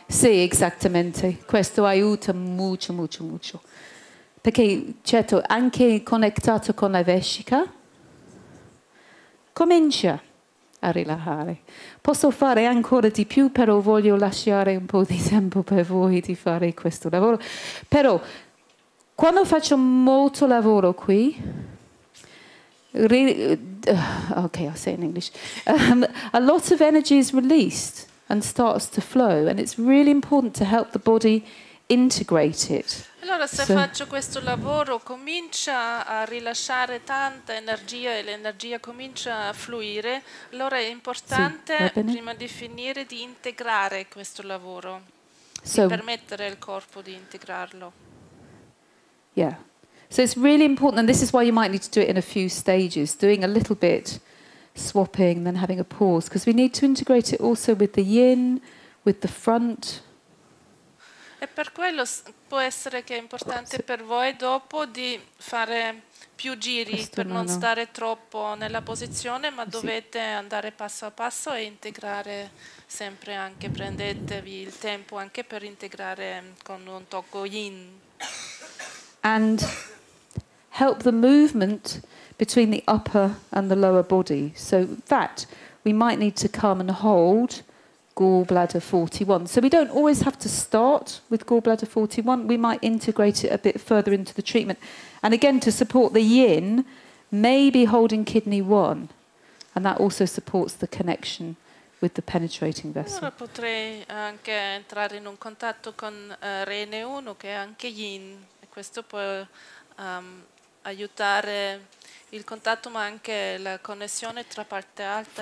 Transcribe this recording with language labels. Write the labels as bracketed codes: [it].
[it] Sì, esattamente, questo aiuta molto, molto, molto, perché certo, anche connettato con la vescica, comincia a rilassare. Posso fare ancora di più, però voglio lasciare un po' di tempo per voi di fare questo lavoro. Però quando faccio molto lavoro qui, [en] a lot of energy is released and starts to flow, and it's really important to help the body integrate it. [it] Allora, se faccio questo lavoro, comincia a rilasciare tanta energia e l'energia comincia a fluire, allora è importante, prima di finire, di integrare questo lavoro, di permettere al corpo di integrarlo. [en] Yeah. So it's really important, and this is why you might need to do it in a few stages, doing a little bit, swapping, then having a pause, because we need to integrate it also with the yin, with the front. [it] E per quello può essere che è importante per voi dopo di fare più giri per non stare troppo nella posizione, ma dovete andare passo a passo e integrare sempre, anche prendetevi il tempo anche per integrare con un tocco yin. [en] And help the movement between the upper and the lower body. So that we might need to come and hold gallbladder 41. So we don't always have to start with gallbladder 41. We might integrate it a bit further into the treatment. And again, to support the yin, maybe holding kidney 1. And that also supports the connection with the penetrating vessel. [it] Allora potrei anche entrare in un contatto con rene 1, che è anche yin. E questo può aiutare il contatto, ma anche la connessione tra parte alta